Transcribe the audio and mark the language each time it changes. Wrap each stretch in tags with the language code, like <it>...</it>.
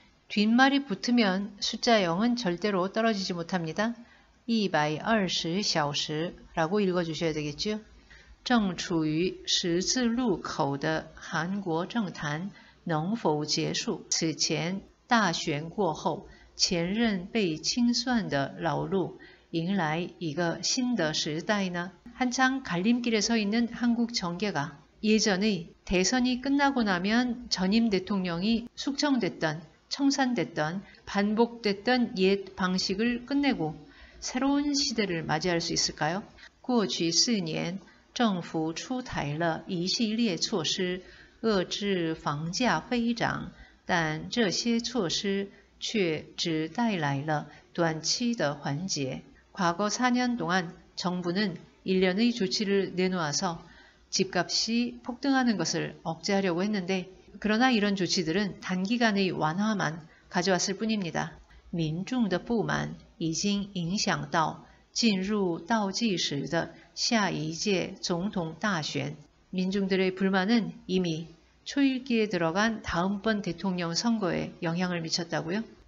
<ko>뒷말이 붙으면 숫자 0은 절대로 떨어지지 못합니다. 120小时라고 읽어주셔야 되겠죠.</ko> <zh>正处于十字路口的韩国政坛能否结束此前大选过后前任被清算的老路迎来一个新的时代呢？</zh> <ko>한창 갈림길에 서 있는 한국 정계가 예전의 대선이 끝나고 나면 전임 대통령이 숙청됐던, 청산됐던, 반복됐던 옛 방식을 끝내고 새로운 시대를 맞이할 수 있을까요?</ko> <zh>过去四年 政府出台了一系列措施遏制房价飞涨，但这些措施却只带来了短期的缓解。</zh> <ko>과거 4년 동안 정부는 일련의 조치를 내놓아서 집값이 폭등하는 것을 억제하려고 했는데, 그러나 이런 조치들은 단기간의 완화만 가져왔을 뿐입니다.</ko> <zh>민중的不满已经影响到 进入倒计时的下一届总统大选，</zh> <ko>민중들의 불만은 이미 초읽기에 들어간 다음번 대통령 선거에 영향을 미쳤다고요?</ko>